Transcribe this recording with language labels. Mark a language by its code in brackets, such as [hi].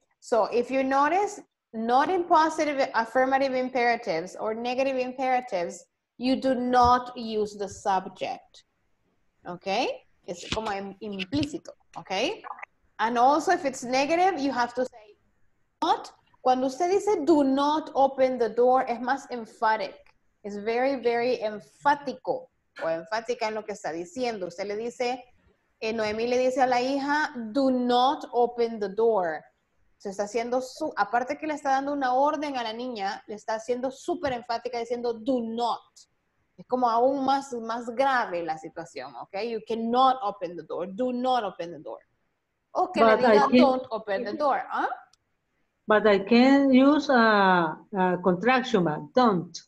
[en] So if you notice, not in positive affirmative imperatives or negative imperatives, you do not use the subject, okay? [es] Es como implícito, [en] okay? And also if it's negative, you have to say not. [es] Cuando usted dice, [en] do not open the door, [es] es más [en] emphatic. [es] Es [en] very, very [es] enfático o enfática en lo que está diciendo. Usted le dice, Noemí le dice a la hija, [en] do not open the door. [es] Se está haciendo, aparte que le está dando una orden a la niña, le está haciendo súper enfática diciendo, [en] do not. [es] Es como aún más grave la situación, ¿ok? [en] You cannot open the door, do not open the door. [es] O que le diga, [en] don't open the door, [es] ¿ah? [en] But I can use a contraction, but don't.